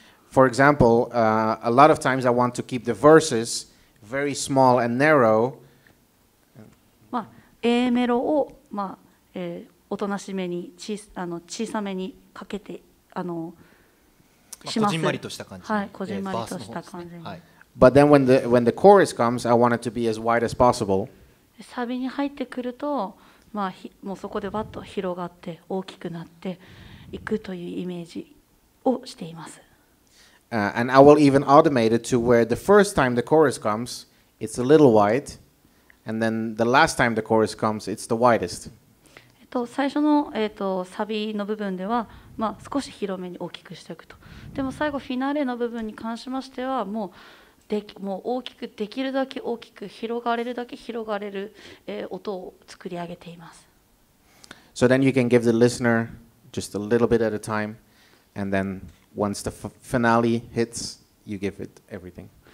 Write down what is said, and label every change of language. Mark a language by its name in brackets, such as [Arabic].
[English] For example, a lot of times I want to keep the verses very small and narrow. [Japanese] A メロを、まあ、おとなしめに小さめにかけてします。こじんまりとした感じ、はい、こじんまりとした感じ、はい、 [English] But then when the chorus comes, I want it to be as wide as possible. [Japanese] サビに入ってくると、まあ、もうそこでバッと広がって大きくなっていくというイメージをしています。 [English] And I will even automate it to where the first time the chorus comes, it's a little wide. And then the last time the chorus comes, it's the widest. [Japanese] 最初の、サビの部分では、まあ、少し広めに大きくしておくと。でも最後、フィナーレの部分に関しましては、もう大きく、できるだけ大きく、広がれるだけ広がれる、音を作り上げています。 [English] So then you can give the listener just a little bit at a time, and then once the finale hits, you give it everything.